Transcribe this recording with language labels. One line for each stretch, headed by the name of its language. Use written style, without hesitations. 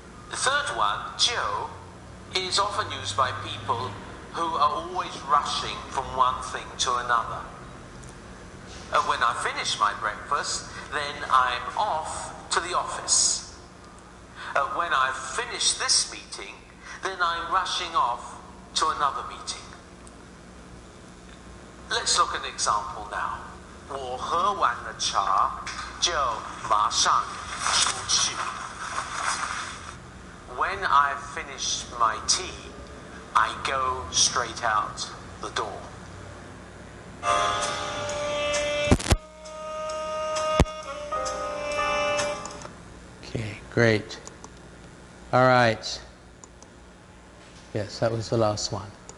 English: The third one, 就, is often used by people who are always rushing from one thing to another. And when I finish my breakfast, then I'm off to the office. And when I've finished this meeting, then I'm rushing off to another meeting. Let's look at an example now.
Chinese: 我喝完了茶, 就马上出去.
English: When I've finished my tea, I go straight out the door. Okay, great. All right. Yes, that was the last one.